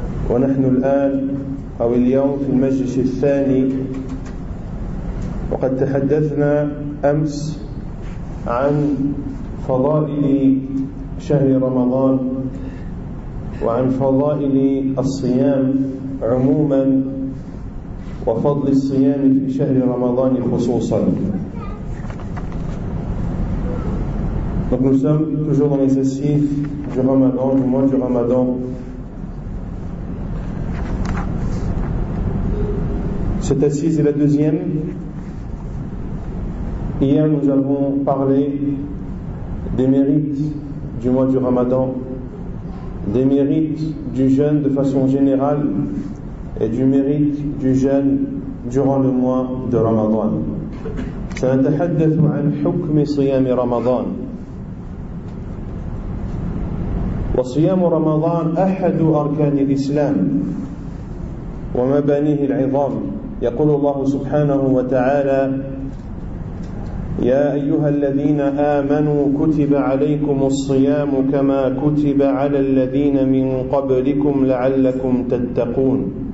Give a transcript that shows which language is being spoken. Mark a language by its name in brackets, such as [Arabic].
[Arabic] ونحن الآن أو اليوم في المجلس الثاني، وقد تحدثنا أمس عن فضائل شهر رمضان وعن فضائل الصيام عموما وفضل الصيام في شهر رمضان خصوصا. [French] Donc nous sommes toujours dans les assises du Ramadan, du mois du Ramadan. Cette assise est la deuxième. Hier, nous avons parlé des mérites du mois du Ramadan, des mérites du jeûne de façon générale et du mérite du jeûne durant le mois de Ramadan. [Arabic] سنتحدث عن حكم صيام رمضان. وصيام رمضان أحد أركان الإسلام ومبانيه العظام. يقول الله سبحانه وتعالى: يا أيها الذين آمنوا كتب عليكم الصيام كما كتب على الذين من قبلكم لعلكم تتقون.